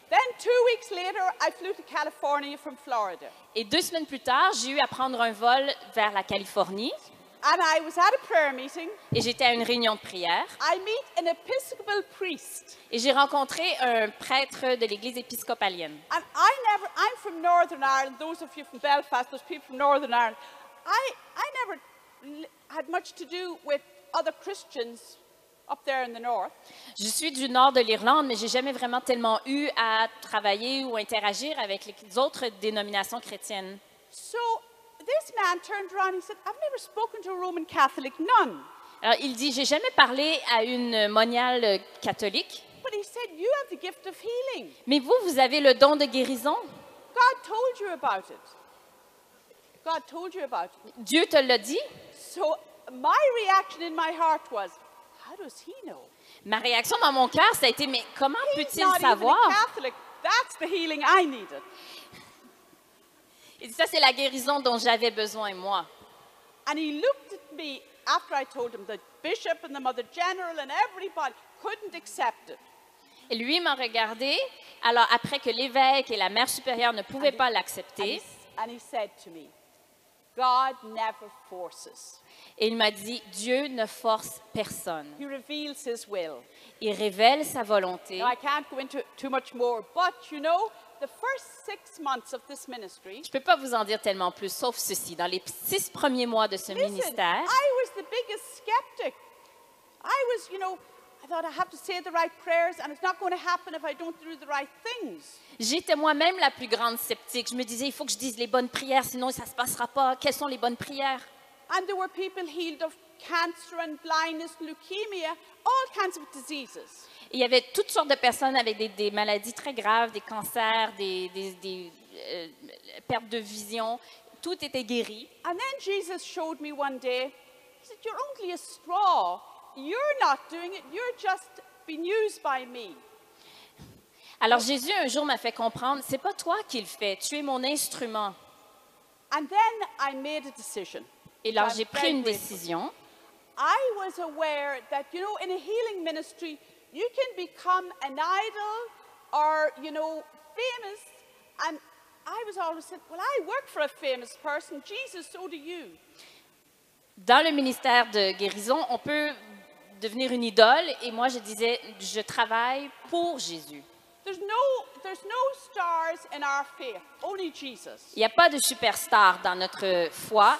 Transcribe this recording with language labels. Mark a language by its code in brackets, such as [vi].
[en] Then 2 weeks later, I flew to California from Florida. [fr] Et 2 semaines plus tard, j'ai eu à prendre un vol vers la Californie. [en] And I was at a prayer meeting. [fr] Et j'étais à une réunion de prière. [en] I meet an Episcopal priest. [fr] Et j'ai rencontré un prêtre de l'église épiscopalienne. [en] And I never, I'm from Northern Ireland. Those of you from Belfast, those people from Northern Ireland, I never had much to do with other Christians up there in the north. [fr] Je suis du nord de l'Irlande, mais j'ai jamais vraiment tellement eu à travailler ou interagir avec les autres dénominations chrétiennes. [en] So this man turned around and said, I've never spoken to a Roman Catholic nun. [fr] Alors il dit, j'ai jamais parlé à une moniale catholique. [en] But he said, you have the gift of healing. [fr] Mais vous, vous avez le don de guérison. [en] God told you about it. God told you about it. [fr] Dieu te l'a dit. [en] So my reaction in my heart was, how does he know? [fr] Ma réaction dans mon cœur, ça a été, mais comment [en] He's [fr] peut-il savoir? [en] He's not even a Catholic. That's the healing I needed. [fr] Il dit, ça, c'est la guérison dont j'avais besoin, moi. [en] And he looked at me after I told him the bishop and the mother general and everybody couldn't accept it. [fr] Et lui m'a regardé, alors après que l'évêque et la mère supérieure ne pouvaient pas l'accepter. [en] And he said to me, God never forces. [fr] Et il m'a dit, Dieu ne force personne. [en] He reveals his will. [fr] Il révèle sa volonté. [en] Now, I can't go into too much more, but you know, the first 6 months of this ministry. [fr] Je peux pas vous en dire tellement plus, sauf ceci. Dans les 6 premiers mois de ce ministère. [en] I was the biggest skeptic. I was, you know, I thought I have to say the right prayers, and it's not going to happen if I don't do the right things. [fr] J'étais moi-même la plus grande sceptique. Je me disais, il faut que je dise les bonnes prières, sinon ça se passera pas. Quelles sont les bonnes prières? [en] And there were people healed of cancer and blindness, leukemia, all kinds of diseases. [fr] Il y avait toutes sortes de personnes avec des maladies très graves, des cancers, des pertes de vision. Tout était guéri. [en] And then Jesus showed me one day, he said, you're only a straw. You're not doing it. You're just been used by me. [fr] Alors Jésus un jour m'a fait comprendre, c'est pas toi qui le fais, tu es mon instrument. [en] And then I made a decision. [fr] Et alors j'ai pris une décision. [en] I was aware that, you know, in a healing ministry, you can become an idol or, you know, famous. And I was always said, well, I work for a famous person. Jesus, so do you. [fr] Dans le ministère de guérison, on peut devenir une idole. Et moi, je disais, je travaille pour Jésus. [en] There's no stars in our faith, only Jesus. [fr] Il n'y a pas de superstar dans notre foi,